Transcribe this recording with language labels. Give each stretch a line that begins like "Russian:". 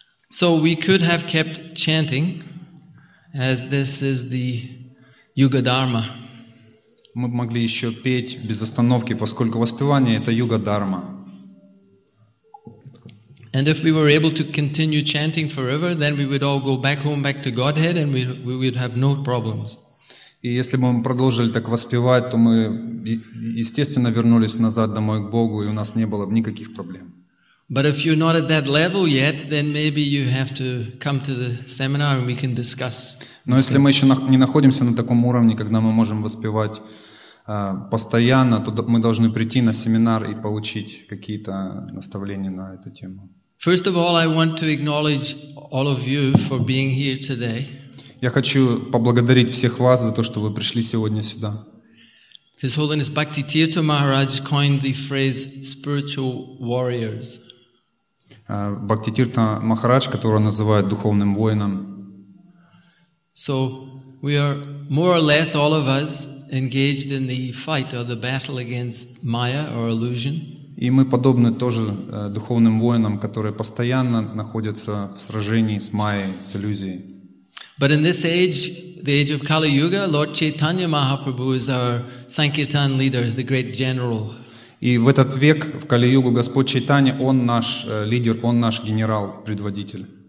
English: So we could have kept chanting, as this is the Yuga Dharma.
Russian: Мы могли еще петь без остановки, поскольку воспевание это Юга Дхарма.
English: And if we were able to continue chanting forever, then we would all go back home, back to Godhead, and we would have no problems.
Russian: И если бы мы продолжили так воспевать, то мы естественно вернулись назад домой к Богу, и у нас не было бы никаких проблем.
English: But if you're not at that level yet, then maybe you have to come to the seminar and we can discuss.
Russian: Но если мы еще не находимся на таком уровне, когда мы можем воспевать постоянно, то мы должны прийти на семинар и получить какие-то наставления на эту тему.
English: First of all, I want to acknowledge all of you for being here today.
Russian: Я хочу поблагодарить всех вас за то, что вы пришли сегодня сюда.
English: His Holiness Bhakti Tirtha Maharaj coined the phrase spiritual warriors.
Russian: Бхакти Тирта Махарадж, которого называют духовным воином.
English: So we are more or less all of us engaged in the fight or the battle against Maya or illusion.
Russian: И мы подобны тоже духовным воинам, которые постоянно находятся в сражении с Майей, с иллюзией.
English: But in this age, the age of Kali Yuga, Lord Chaitanya Mahaprabhu is our Sankirtan leader, the great general.
Russian: И в этот век, в Кали-Югу, Господь Чайтанья, Он наш лидер, Он наш генерал, предводитель.